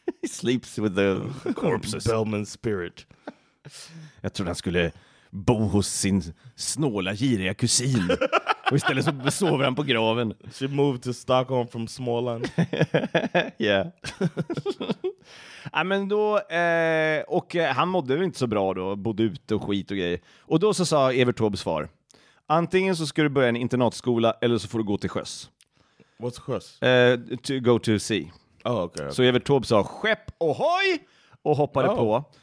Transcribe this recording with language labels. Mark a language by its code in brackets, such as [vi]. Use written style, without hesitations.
[en] He sleeps with the corpses. Bellman's spirit. [sv] Jag tror han skulle bo hos sin snåla, giriga kusin. Och istället så sover han på graven. [en] She moved to Stockholm from Småland. [sv] Yeah. Ja, men då... och han mådde väl inte så bra då. Bodde ute och skit och grejer. Och då så sa Evert Taubes svar. Antingen så ska du börja en internatskola eller så får du gå till sjöss. [en] What's sjöss? To go to sea. Oh, okay. [sv] Så Evert Taube sa skepp ohoj! Och hoppade på.